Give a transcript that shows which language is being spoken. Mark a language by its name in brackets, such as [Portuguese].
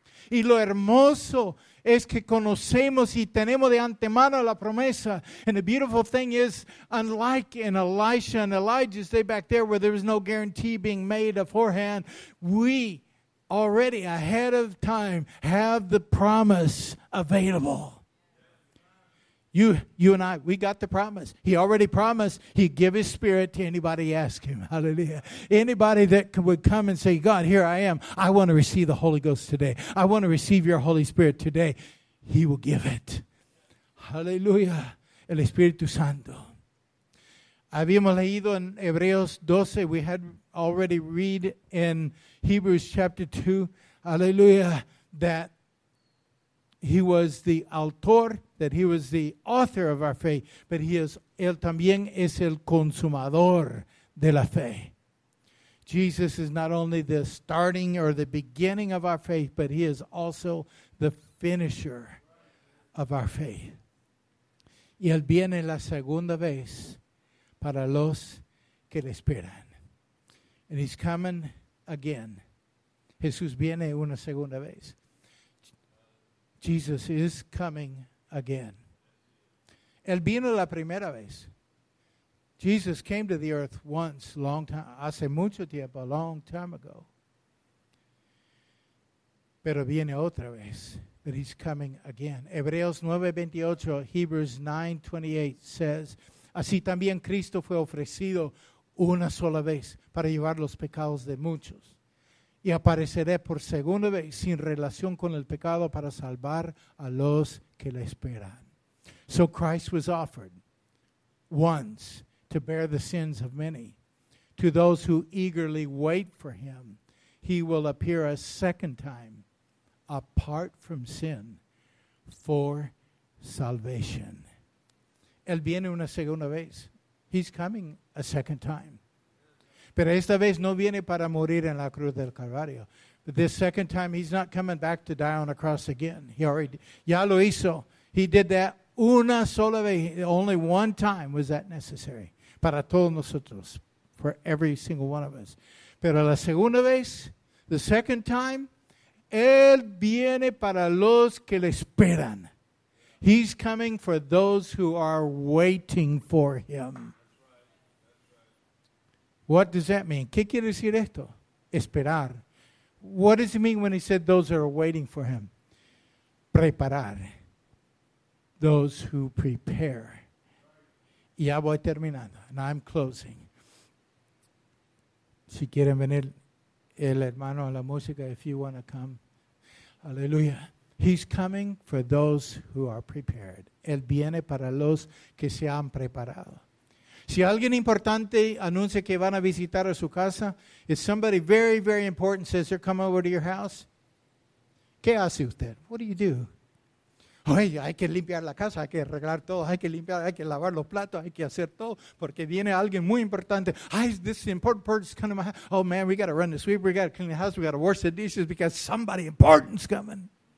[Spanish] Y lo hermoso es que conocemos y tenemos de antemano la promesa. [English] And the beautiful thing is, unlike in Elisha and Elijah's day back there where there was no guarantee being made beforehand, we already ahead of time have the promise available. You and I, we got the promise. He already promised he'd give his Spirit to anybody ask him. Hallelujah. Anybody that would come and say, God, here I am. I want to receive the Holy Ghost today. I want to receive your Holy Spirit today. He will give it. Hallelujah. [Spanish] El Espíritu Santo. Habíamos leído en Hebreos 12. [English] We had already read in Hebrews chapter 2. Hallelujah. That he was the autor, that he was the author of our faith, but he is, [Spanish] él también es el consumador de la fe. [English] Jesus is not only the starting or the beginning of our faith, but he is also the finisher of our faith. [Spanish] Y él viene la segunda vez para los que le esperan. [English] And he's coming again. [Spanish] Jesús viene una segunda vez. [English] Jesus is coming again. [Spanish] Él vino la primera vez. [English] Jesus came to the earth once, long time, [Spanish] hace mucho tiempo, [English] a long time ago. [Spanish] Pero viene otra vez. [English] But he's coming again. [Spanish] Hebreos 9:28, [English] Hebrews 9:28 says, [Spanish] así también Cristo fue ofrecido una sola vez para llevar los pecados de muchos. y apareceré por segunda vez sin relación con el pecado para salvar a los que le esperan. [English] So Christ was offered once to bear the sins of many. To those who eagerly wait for him, he will appear a second time apart from sin for salvation. [Spanish] Él viene una segunda vez. [English] He's coming a second time. [Spanish] Pero esta vez no viene para morir en la cruz del Calvario. [English] But this second time, he's not coming back to die on a cross again. He already, [Spanish] ya lo hizo. [English] He did that [Spanish] una sola vez. [English] Only one time was that necessary. [Spanish] Para todos nosotros. [English] For every single one of us. [Spanish] Pero la segunda vez, [English] the second time, [Spanish] él viene para los que le esperan. [English] He's coming for those who are waiting for him. What does that mean? [Spanish] ¿Qué quiere decir esto? Esperar. [English] What does it mean when he said those that are waiting for him? Preparar. Those who prepare. [Spanish] Ya voy terminando. [English] And I'm closing. [Spanish] Si quieren venir el hermano a la música, [English] if you want to come. [Spanish] Hallelujah. [English] He's coming for those who are prepared. [Spanish] Él viene para los que se han preparado. Si alguien importante anuncia que van a visitar a su casa, [English] if somebody very, very important says they're coming over to your house, [Spanish] ¿qué hace usted? [English] What do you do? [Spanish] Oye, hay que limpiar la casa, hay que arreglar todo, hay que limpiar, hay que lavar los platos, hay que hacer todo, porque viene alguien muy importante. [English] Ay, this important person's coming to my house. Oh man, we got to run the sweep, we got to clean the house, we got to wash the dishes because somebody important's coming.